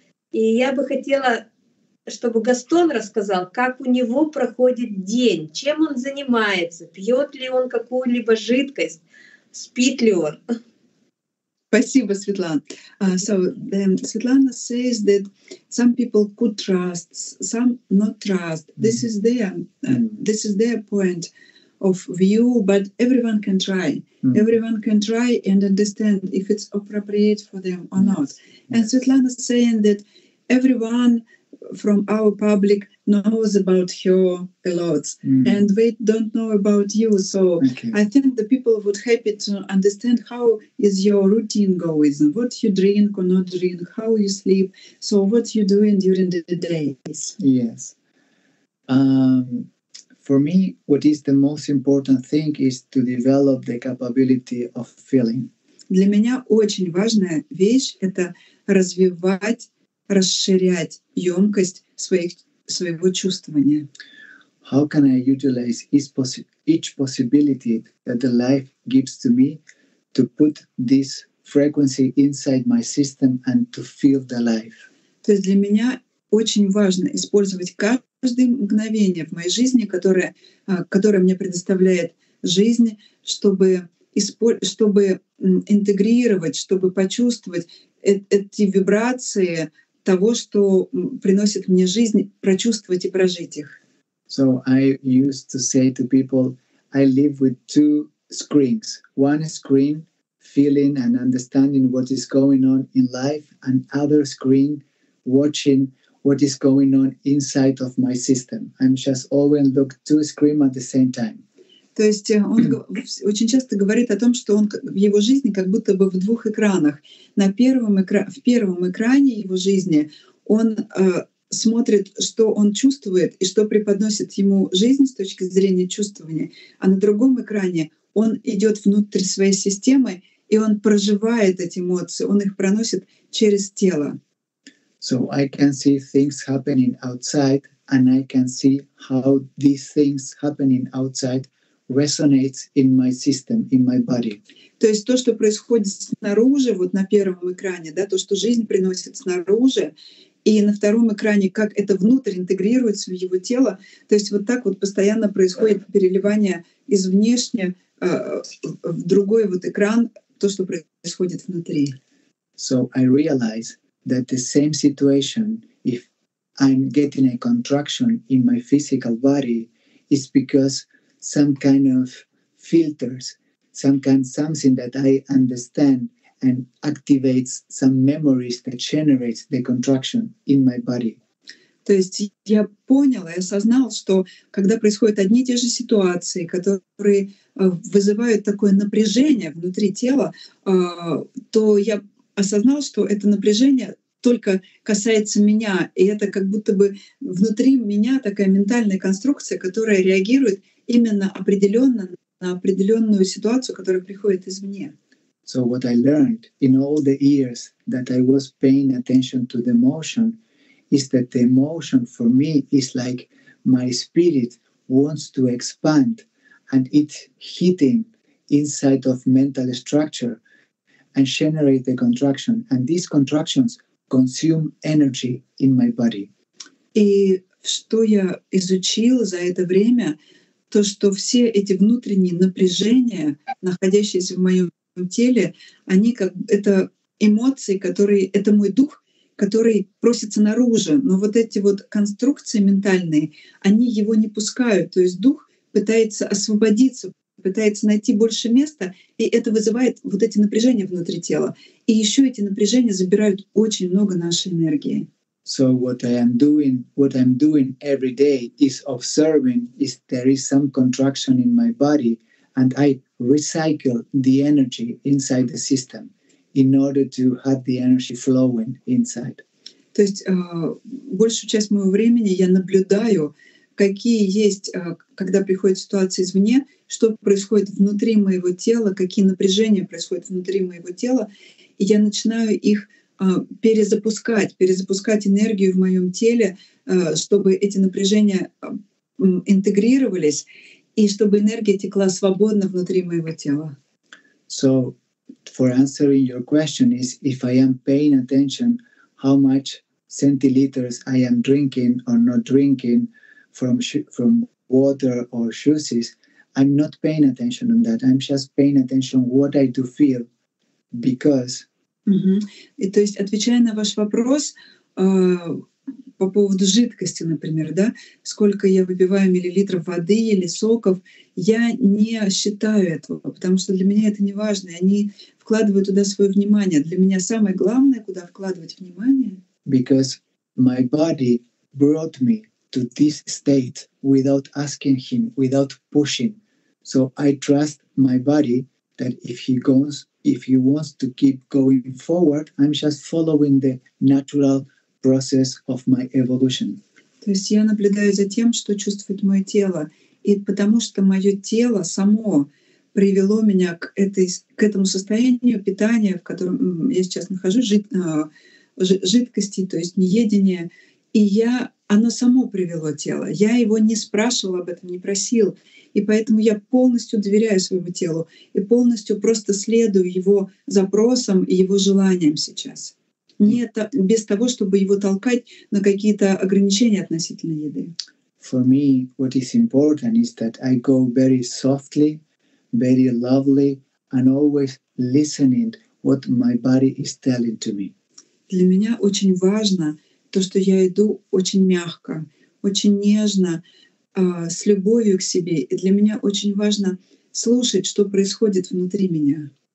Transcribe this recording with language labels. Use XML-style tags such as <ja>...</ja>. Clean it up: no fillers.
<ru>И я бы хотела, чтобы Гастон рассказал, как у него проходит день, чем он занимается, пьет ли он какую-либо жидкость, спит ли он. Спасибо, Светлана.</ru> <en>So then Светлана says that some people could trust, some not trust. This is their point of view, but everyone can try. Everyone can try and understand if it's appropriate for them or not. And Svetlana is saying that everyone from our public knows about her a lot, and we don't know about you. So I think the people would happy to understand how is your routine going, what you drink or not drink, how you sleep, so what you doing during the days. Yes. For me, what is the most important thing is to develop the capability of feeling.</en> <ru>Для меня очень важная вещь — это развивать, расширять ёмкость своего чувствования.</ru> <en>How can I utilize each possibility that the life gives to me to put this frequency inside my system and to feel the life?</en> <ru>То есть для меня очень важно использовать каждое мгновение в моей жизни, которое мне предоставляет жизнь, чтобы интегрировать, чтобы почувствовать эти вибрации того, что приносит мне жизнь, прочувствовать и прожить их.</ru> <en>So I used to say to people, I live with two screens. One screen, feeling and understanding what is going on in life, and other screen, watching what is going on inside of my system. I'm just always look two screens at the same time.</en> <ru>То есть он очень часто говорит о том, что он в его жизни как будто бы в двух экранах. На первом экране, в первом экране его жизни он смотрит, что он чувствует и что преподносит ему жизнь с точки зрения чувствования, а на другом экране он идет внутрь своей системы и он проживает эти эмоции, он их проносит через тело.</ru> <en>So I can see things happening outside, and I can see how these things happening outside resonates in my system, in my body.</en> <ru>То есть то, что происходит снаружи, вот на первом экране, да, то, что жизнь приносит снаружи, и на втором экране, как это внутрь интегрируется в его тело, то есть вот так вот постоянно происходит переливание из внешне в другой вот экран, то, что происходит внутри.</ru> <en>So I realize that the same situation, if I'm getting a contraction in my physical body, is because some kind of filters, some kind something that I understand and activates some memories that generates the contraction in my body.</en> <ru>То есть я понял, я осознал, что когда происходят одни и те же ситуации, которые вызывают такое напряжение внутри тела, то я осознал, что это напряжение только касается меня, и это как будто бы внутри меня такая ментальная конструкция, которая реагирует именно определенно на определенную ситуацию, которая приходит извне.</ru> <en>So what I learned in all the years that I was paying attention to the emotion is that the emotion for me is like my spirit wants to expand and it's hitting inside of mental structure and generate the contraction. And these contractions consume energy in my body.</en> <ru>И что я изучил за это время, то, что все эти внутренние напряжения, находящиеся в моем теле, они как это эмоции, которые это мой дух, который просится наружу. Но вот эти вот конструкции ментальные, они его не пускают. То есть дух пытается освободиться, пытается найти больше места, и это вызывает вот эти напряжения внутри тела. И еще эти напряжения забирают очень много нашей энергии.</ru> <en>So what I'm doing every day is observing if there is some contraction in my body, and I recycle the energy inside the system in order to have the energy flowing inside.</en> <ru>То есть большую часть моего времени я наблюдаю, какие есть, когда приходят ситуации извне, что происходит внутри моего тела, какие напряжения происходят внутри моего тела, и я начинаю их перезапускать энергию в моем теле, чтобы эти напряжения интегрировались и чтобы энергия текла свободно внутри моего тела.</ru> <en>So, for answering your question is, if I am paying attention, how much centiliters I am drinking or not drinking from water or juices, I'm not paying attention on that. I'm just paying attention what I do feel, because</en> <ru>И то есть, отвечая на ваш вопрос по поводу жидкости, например, да, сколько я выпиваю миллилитров воды или соков, я не считаю этого, потому что для меня это не важно. Они вкладывают туда свое внимание. Для меня самое главное, куда вкладывать внимание.</ru> <en>Because my body brought me to this state without asking him, without pushing. So I trust my body that if he goes, if he wants to keep going forward, I'm just following the natural process of my evolution.</en> <ru>То есть я наблюдаю за тем, что чувствует мое тело, и потому что мое тело само привело меня к этой, к этому состоянию питания, в котором я сейчас нахожусь, жидкости, то есть неедение, и я, оно само привело тело. Я его не спрашивал об этом, не просил. И поэтому я полностью доверяю своему телу и полностью просто следую его запросам и его желаниям сейчас. Не это, без того, чтобы его толкать на какие-то ограничения относительно еды.</ru> <en>For me, what is important is that I go very softly, very lovely, and always listening what my body is telling to me.</en> <ru>Для меня очень важно то, что я иду очень мягко, очень нежно, с любовью к себе. И для меня очень важно слушать, что происходит внутри меня.</ru>